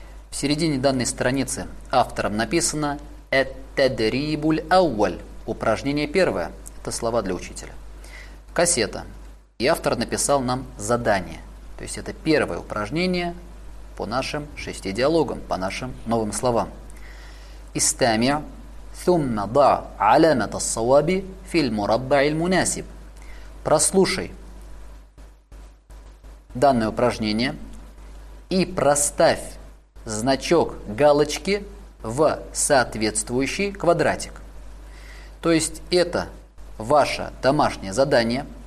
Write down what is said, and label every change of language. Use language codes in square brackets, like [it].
[ru] В середине данной страницы автором написано [ar] «Эт-тедрибуль ауэль» [ru] – упражнение первое. Это слова для учителя. Кассета. И автор написал нам задание. То есть это первое упражнение по нашим 6 диалогам, по нашим новым словам. «Истамиа». [ar] ثم ضع علامة الصواب في المربع المناسب. [ru] Прослушай данное упражнение и проставь значок галочки в соответствующий квадратик. То есть это ваше домашнее задание.